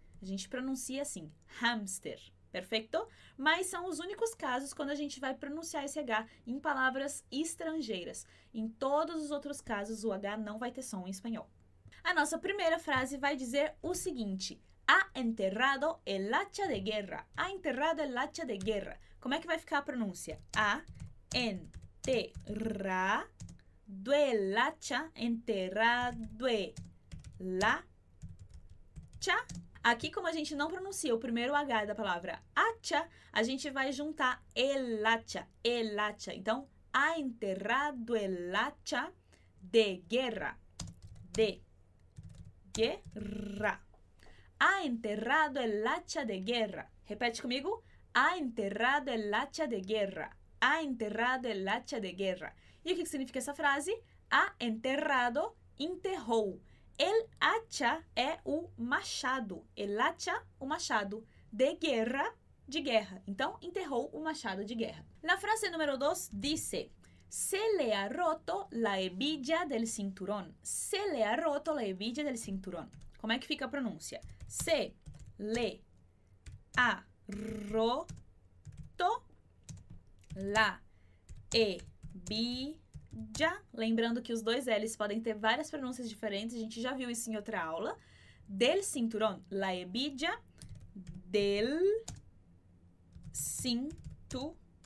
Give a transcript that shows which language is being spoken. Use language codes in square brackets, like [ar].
[pt] A gente pronuncia assim, hamster. Perfeito? Mas são os únicos casos quando a gente vai pronunciar esse H em palavras estrangeiras. Em todos os outros casos, o H não vai ter som em espanhol. A nossa primeira frase vai dizer o seguinte: [es] ha enterrado el hacha de guerra. Ha enterrado el hacha de guerra. [pt] Como é que vai ficar a pronúncia? [es] Ha enterrado el hacha, enterrado el hacha. [pt] Aqui, como a gente não pronuncia o primeiro H da palavra hacha, a gente vai juntar el hacha, el hacha. [es] Então, ha enterrado el hacha de guerra. De guerra. Ha enterrado el hacha de guerra. [pt] Repete comigo. [es] Ha enterrado el hacha de guerra. Ha enterrado el hacha de guerra. [pt] E o que significa essa frase? [es] Ha enterrado, [pt] enterrou. [es] El hacha [pt] é o machado. [es] El hacha, [pt] o machado. [es] De guerra, de guerra. [pt] Então, enterrou o machado de guerra. Na frase número 2, [es] dice: se le ha roto la hebilla del cinturón. Se le ha roto la hebilla del cinturón. [pt] Como é que fica a pronúncia? [es] Se le ha roto la hebilla. [pt] Já, lembrando que os dois L's podem ter várias pronúncias diferentes, a gente já viu isso em outra aula. [es] Del cinturón, la hebilla del cinturón.